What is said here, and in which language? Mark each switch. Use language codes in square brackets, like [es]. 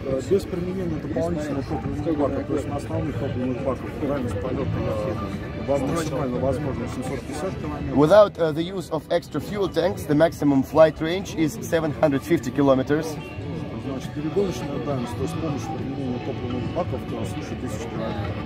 [ru] Без применения дополнительных топливных баков, то есть на основных топливных баках дальность полета максимально возможно 750 километров. [en] Without the use of extra fuel tanks, the maximum flight range is 750 kilometers. [ru] Значит, перегоночная дальность, то есть с помощью применения топливных баков, то есть 1000 километров.